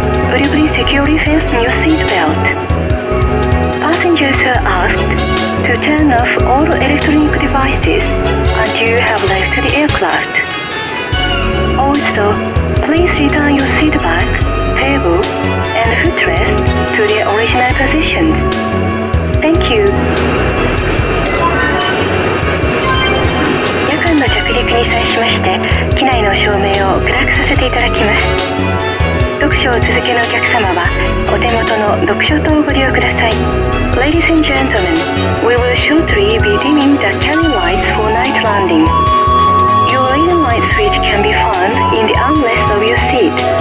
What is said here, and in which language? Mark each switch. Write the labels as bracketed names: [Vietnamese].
[English] Will you please securely fasten your seat belt? Passengers are asked to turn off all electronic devices until you have left the aircraft. Also, please return your seat back, table, and footrest to their original positions. Thank you. [Japanese] 夜間の着陸に際しまして、機内の照明を暗くさせていただきます。読書を続けのお客様は、お手元の読書灯をご利用ください。 [English] Ladies and gentlemen, we will shortly be dimming the cabin lights for night landing. Your leading light switch can be found in the armrest of your seat.